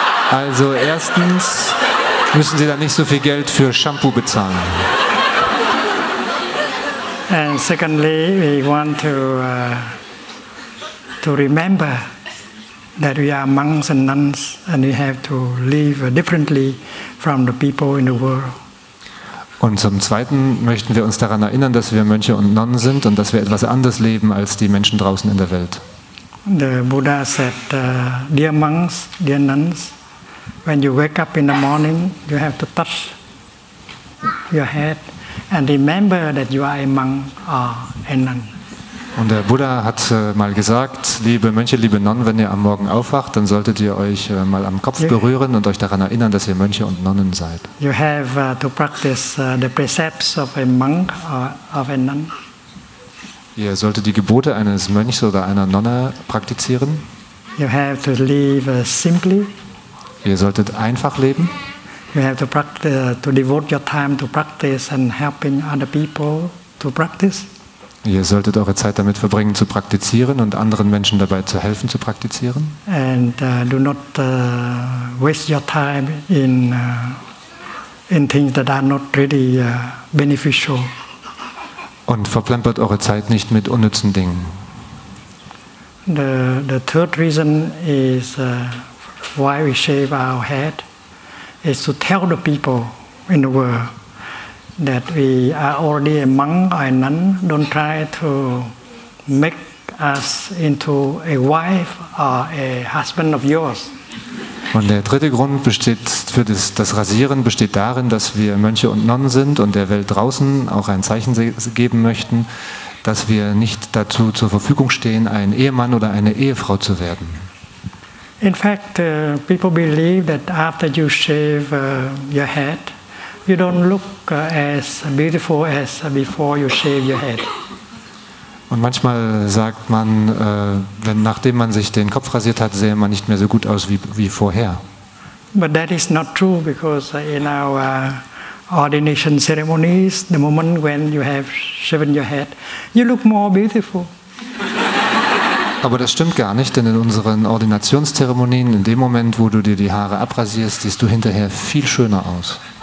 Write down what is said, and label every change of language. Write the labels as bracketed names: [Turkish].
[German] Also erstens müssen Sie dann nicht so viel Geld für Shampoo bezahlen. [English] And secondly, we want to remember that we are monks and nuns and we have to live differently from the people in the world. [German] Und zum Zweiten möchten wir uns daran erinnern, dass wir Mönche und Nonnen sind und dass wir etwas anders leben als die Menschen draußen in der Welt. [English] The Buddha said, dear monks, dear nuns, when you wake up in the morning, you have to touch your head and remember that you are a monk or a nun. [German] Und der Buddha hat mal gesagt, liebe Mönche, liebe Nonnen, wenn ihr am Morgen aufwacht, dann solltet ihr euch mal am Kopf berühren und euch daran erinnern, dass ihr Mönche und Nonnen seid. [English] You have to practice the precepts of a monk or of a nun. [German] Ihr solltet die Gebote eines Mönchs oder einer Nonne praktizieren. [English] You have to live simply. [German] Ihr solltet einfach leben. [English] You have to practice, to devote your time to practice and helping other people to practice. [German] Ihr solltet eure Zeit damit verbringen, zu praktizieren und anderen Menschen dabei zu helfen, zu praktizieren. [English] And do not waste your time in things that are not really beneficial. [German] Und verplempert eure Zeit nicht mit unnützen Dingen. [English] The third reason is why we shave our head is to tell the people in the world that we are already a monk or a nun. Don't try to make us into a wife or a husband of yours. [German] Und der dritte Grund besteht für das Rasieren besteht darin, dass wir Mönche und Nonnen sind und der Welt draußen auch ein Zeichen geben möchten, dass wir nicht dazu zur Verfügung stehen, ein Ehemann oder eine Ehefrau zu werden. [English] In fact, people believe that after you shave your head, you don't look as beautiful as before you shave your head. [German] Und manchmal sagt man, wenn nachdem man sich den Kopf rasiert hat, sähe man nicht mehr so gut aus wie vorher. [English] But that is not true, because in our ordination ceremonies, the moment when you have shaven your head, you look more beautiful. [German] Aber das stimmt gar nicht, denn in unseren Ordinationszeremonien, in dem Moment, wo du dir die Haare abrasierst, siehst du hinterher viel schöner aus.